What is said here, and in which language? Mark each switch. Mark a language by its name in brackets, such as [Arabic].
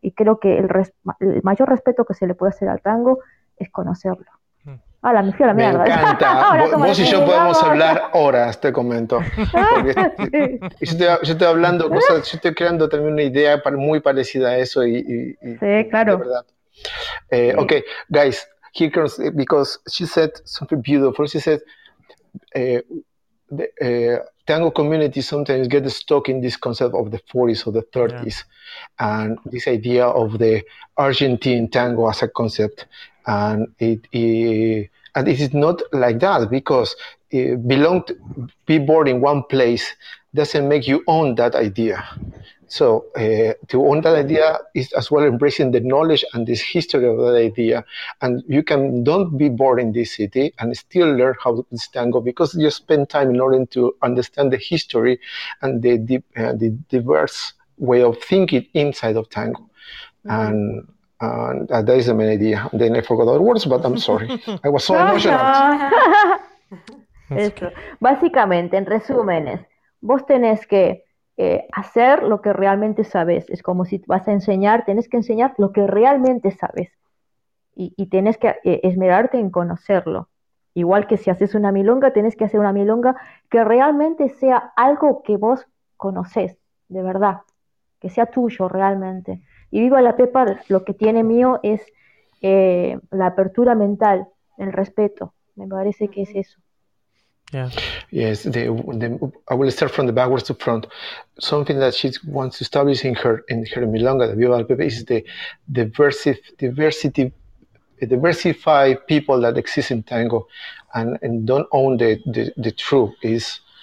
[Spanish] Y creo que el mayor respeto que se le puede hacer al tango es conocerlo. Hola, me fui a la mierda. Me encanta. Vos y yo podemos hablar horas, te comento. yo estoy hablando cosas, yo estoy creando también una idea muy parecida a eso y sí, claro. De verdad. Sí. [English] Okay, guys, here comes, because she said something beautiful. She said the tango community sometimes gets stuck in this concept of the 40s or the 30s, yeah. And this idea of the Argentine tango as a concept. And it is not like that, because be born in one place doesn't make you own that idea. So to own that idea is as well embracing the knowledge and this history of that idea. And you can don't be born in this city and still learn how to tango, because you spend time in order to understand the history and the diverse way of thinking inside of tango. Mm-hmm. And that is the main idea. Then I forgot other words, but I'm sorry. I was so emotional. [Spanish] Eso. Básicamente, en resúmenes, vos tenés que hacer lo que realmente sabes. Es como si vas a enseñar, tenés que enseñar lo que realmente sabes. Y tenés que esmerarte en conocerlo. Igual que si haces una milonga, tenés que hacer una milonga que realmente sea algo que vos conocés, de verdad. Que sea tuyo realmente. Y viva la Pepa, lo que tiene mío es la apertura mental, el respeto. Me parece que es eso. [English] Yeah. Yes, I will start from the backwards to front. Something that she wants to establish in her milonga, the Viva la Pepa, is the diversified people that exist in tango and don't own the truth is...